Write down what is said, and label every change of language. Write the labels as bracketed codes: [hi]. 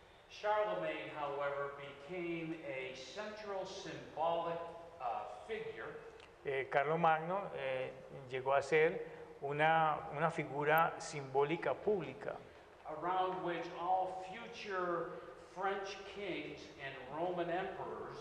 [en] Charlemagne, however, became a central symbolic figure. [es] Carlos Magno llegó a ser una figura simbólica pública. [en] Around which all future French kings and Roman emperors,